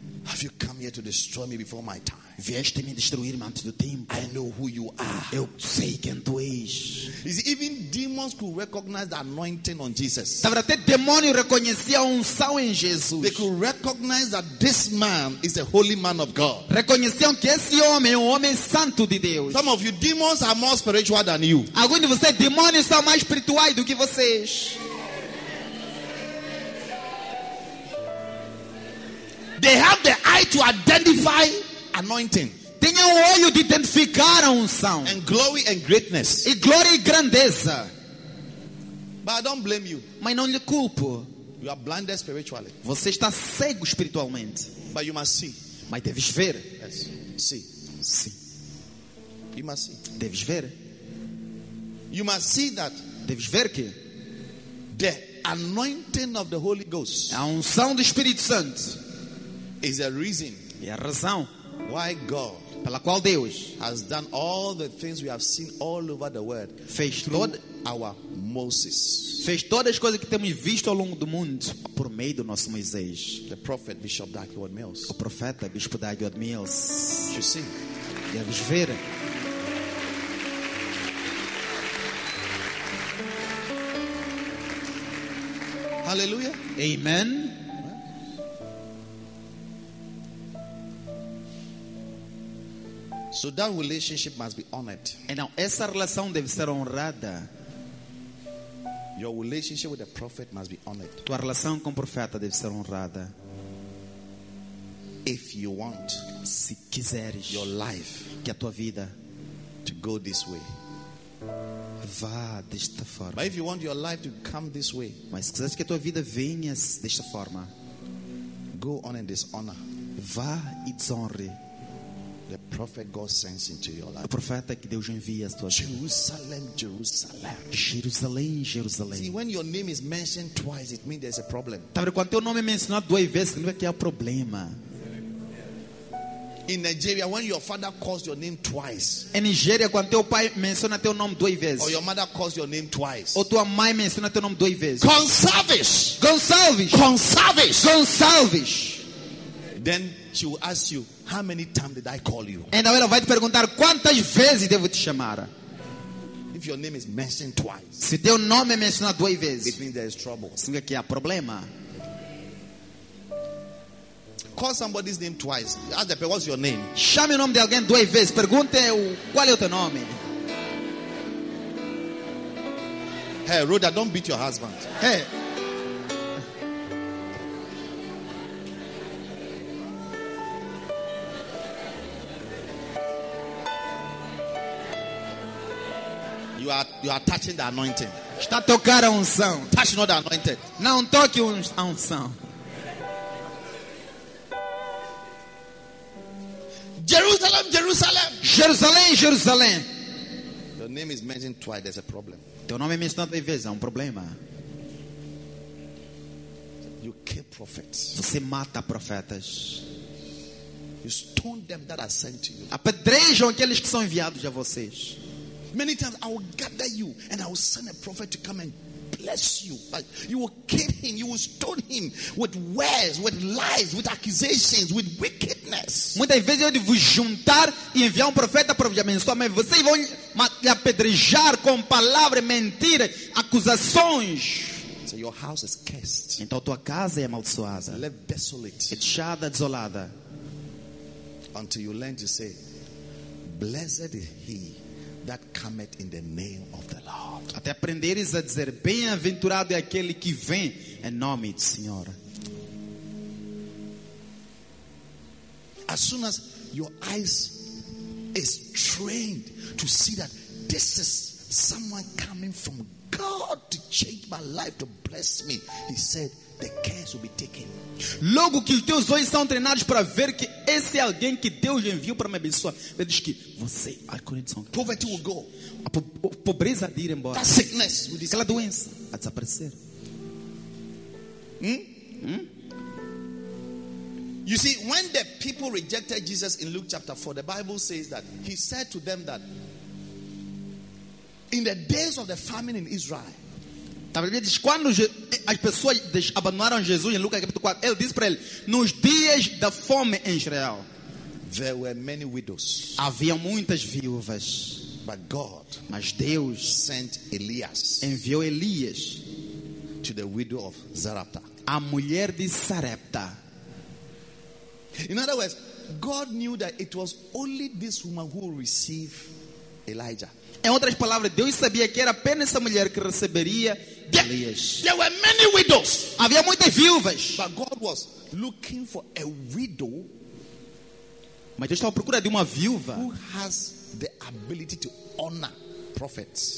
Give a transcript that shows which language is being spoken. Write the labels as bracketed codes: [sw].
[en] have you come here to destroy me before my time? [pt] Vieste me destruir antes do tempo. [en] I know who you are. [pt] Eu sei quem tu és. [en] Is even demons could recognize the anointing on Jesus. [pt] Até demônio reconhecia a unção em Jesus. [en] They could recognize that this man is a holy man of God. [pt] Reconheciam que esse homem é homem santo de Deus. [en] Some of you demons are more spiritual than you. [pt] Alguns de vocês demônios são mais espirituais do que vocês. [en] They have the eye to identify anointing. [pt] Tem um olho de identificar a unção. [en] And glory and greatness. [pt] E glória e grandeza. [en] But I don't blame you. [pt] Mas não lhe culpo. [en] You are blinded spiritually. [pt] Você está cego espiritualmente. [en] But you must see. [pt] Mas deves ver. [en] Yes. See. See. You must see. [pt] Deves ver. [en] You must see that. [pt] Deves ver que [en] the anointing of the Holy Ghost. [pt] A unção do Espírito Santo. [en] Is a reason. [pt] E a razão [en] Why God? [pt] Pela qual Deus [en] has done all the things we have seen all over the world. [pt] Fez toda [en] our Moses. [pt] Fez todas as coisas que temos visto ao longo do mundo por meio do nosso Moisés. [en] The prophet Bishop Dagwood Mills. [pt] O profeta Bispo Dagwood Mills. [en] You see? [pt] Deves ver. [en] Hallelujah. Amen. So that relationship must be honored. And now, [pt] essa relação deve ser honrada. [en] Your relationship with the prophet must be honored. [pt] Tua relação com o profeta deve ser honrada. [en] If you want, [pt] se quiseres, [en] your life, [pt] que a tua vida, [en] to go this way, [pt] vá desta forma. [en] But if you want your life to come this way, [pt] mas se quiseres que a tua vida venha desta forma, [en] go on in dishonor, [pt] vá e desonre. [en] The prophet God sends into your life. [pt] O profeta que Deus envia às tuas. [en] Jerusalem, Jerusalem. [pt] Jerusalém, Jerusalém. [en] See, when your name is mentioned twice, it means there's a problem. [pt] Quando teu nome é mencionado duas vezes, significa que há problema. [en] In Nigeria, when your father calls your name twice. [pt] Em Nigéria, quando teu pai menciona teu nome duas vezes. [en] Or your mother calls your name twice. [pt] Ou tua mãe menciona teu nome duas vezes. Gonçalves. Gonçalves. Gonçalves. Gonçalves. [en] Then she will ask you, how many times did I call you? [pt] Então ela vai te perguntar quantas vezes devo te chamar. [en] If your name is mentioned twice. [pt] Se teu nome é mencionado duas vezes. [en] It means there is trouble. [pt] Significa que há problema. [en] Call somebody's name twice. Ask the person, what's your name? [pt] Chame o nome de alguém duas vezes. Pergunte qual é o teu nome. [en] Hey, Rhoda, don't beat your husband. Hey. You are touching the anointing. [pt] Está a tocar a unção. [en] Touch not the anointed. [pt] Não toque a unção. [en] Jerusalem, Jerusalem. [pt] Jerusalém, Jerusalém. [en] Your name is mentioned twice, there's a problem. [pt] Teu nome é mencionado duas vezes, há problema. [en] You kill prophets. [pt] Você mata profetas. [en] You stone them that are sent to you. [pt] Apedrejam aqueles que são enviados a vocês. [en] Many times I will gather you and I will send a prophet to come and bless you. But you will kill him, you will stone him with words, with lies, with accusations, with wickedness. [pt] Muitas vezes eu devo juntar e enviar profeta para vos abençoar, mas vocês vão lhe apedrejar com palavras, mentiras, acusações. [en] So your house is cursed. [pt] Então tua casa é amaldiçoada. [en] Left desolate. [pt] Fechada, desolada. [en] Until you learn to say, blessed is he that cometh in the name of the Lord. [pt] Até aprenderes a dizer, bem-aventurado é aquele que vem em nome do Senhor. [en] As soon as your eyes is trained to see that this is someone coming from God to change my life, to bless me, he said, the cares will be taken. [pt] Logo que os teus olhos são treinados para ver que esse é alguém que Deus enviou para me abençoar, ele diz que você, a correção, [en] poverty will go, [pt] a pobreza de ir embora, [en] that sickness will disappear, [pt] aquela doença a desaparecer. [en] You see, when the people rejected Jesus in Luke chapter 4, the Bible says that he said to them that in the days of the famine in Israel, [pt] quando as pessoas abandonaram Jesus em Lucas capítulo 4, ele disse para ele, nos dias da fome em Israel, [en] there were many widows, [pt] havia muitas viúvas, [en] but God, [pt] mas Deus [en] sent Elias, [pt] enviou Elias, [en] to the widow of Zarepta, [pt] a mulher de Sarepta. [en] In other words, God knew that it was only this woman who would receive Elijah. [pt] Em outras palavras, Deus sabia que era apenas essa mulher que receberia Elias. [en] There were many widows. [pt] Havia muitas viúvas. [en] But God was looking for a widow. [pt] Mas Deus estava à procura de uma viúva. [en] Who has the ability to honor prophets.